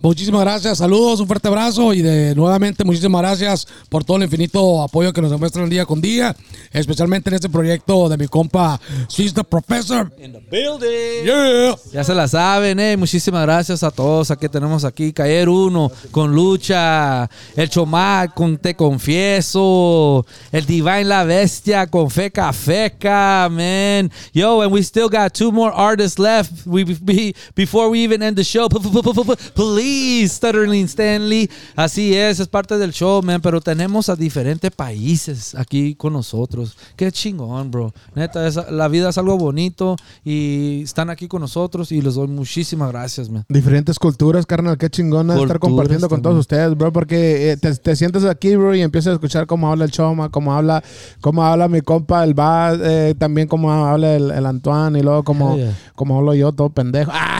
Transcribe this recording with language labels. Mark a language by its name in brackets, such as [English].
[Spanish] Muchísimas gracias. Saludos, un fuerte abrazo. Y de nuevamente, muchísimas gracias por todo el infinito apoyo que nos demuestran día con día, especialmente en este proyecto de mi compa, she's the professor. [English] In the building. Yeah. [Spanish] Ya se la saben, ¿eh? Muchísimas gracias a todos. Aquí tenemos aquí Kair Uno con Lucha, el Chomat con Te Confieso, el Devine la Bestia con Feca Feca, man. [English] Yo, and we still got two more artists left before we even end the show. Please, Stutterling Stanley. [Spanish] Así es parte del show, man, pero tenemos a diferentes países aquí con nosotros. Qué chingón, bro. neta, es, la vida es algo bonito y están aquí con nosotros y les doy muchísimas gracias, man. Diferentes culturas, carnal, qué chingona culturas estar compartiendo también con todos ustedes, bro, porque te sientes aquí, bro, y empiezas a escuchar cómo habla el Choma, cómo habla mi compa, el Bad, también cómo habla el Antoine y luego cómo, cómo hablo yo, todo pendejo.